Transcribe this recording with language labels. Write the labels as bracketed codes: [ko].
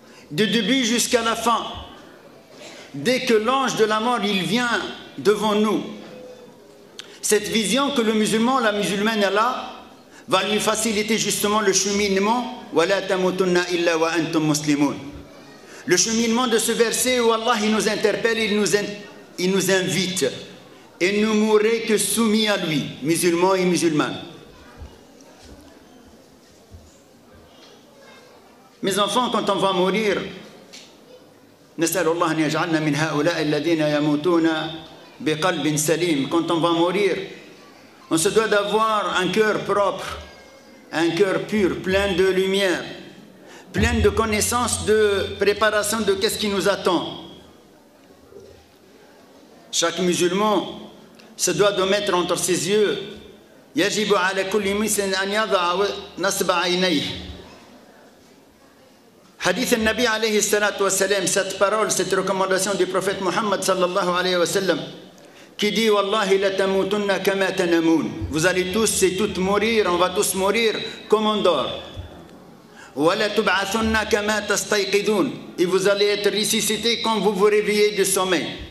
[fr] Du début jusqu'à la fin. Dès que l'ange de la mort il vient devant nous, cette vision que le musulman, la musulmane a là, va lui faciliter justement le cheminement. [ar] وَلَا تَمُوتُنَّ إِلَّا وَأَنْتُمْ مُسْلِمُونَ. [fr] Le cheminement de ce verset où Allah il nous interpelle, il nous invite et ne mourrez que soumis à lui, musulmans et musulmanes. Mes enfants, quand on va mourir, [ar] نسأل الله أن يجعلنا من هؤلاء الذين يموتون بقلب سليم. [fr] Quand on va mourir, on se doit d'avoir un cœur propre, un cœur pur, plein de lumière, plein de connaissances, de préparation de qu'est-ce qui nous attend. Chaque musulman se doit de mettre entre ses yeux. [ar] يجب على كل مسلم أن يضع نصب عينيه. Hadith al-Nabi alayhi salatu wa salam, [fr] cette parole, cette recommandation du prophète Muhammad sallallahu alayhi wa sallam, qui dit « [ar] Wallahi la tamutunna kama tanamun [fr] » Vous allez tous et toutes mourir, on va tous mourir comme on dort. « [ar] Wala tub'athunna kama tastayqidun [fr] » Et vous allez être ressuscité quand vous vous réveillez du sommeil.